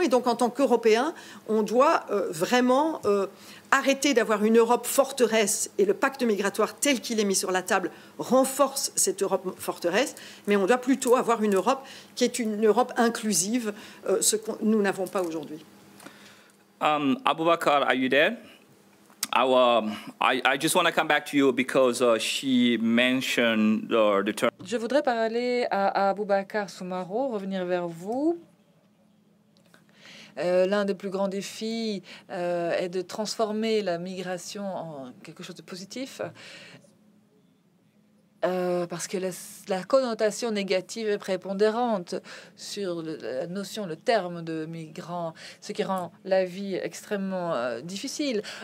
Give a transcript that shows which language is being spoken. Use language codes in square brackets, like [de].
[fr] Et donc en tant qu'Européens, on doit vraiment arrêter d'avoir une Europe forteresse, et le pacte migratoire tel qu'il est mis sur la table renforce cette Europe forteresse, mais on doit plutôt avoir une Europe qui est une Europe inclusive, ce que nous n'avons pas aujourd'hui. [en] Aboubakar, are you there? I just want to come back to you because she mentioned the term. [fr] Je voudrais parler à Aboubakar Soumarou, revenir vers vous. L'un des plus grands défis est de transformer la migration en quelque chose de positif. Parce que la connotation négative est prépondérante sur la notion, le terme de migrant, ce qui rend la vie extrêmement difficile.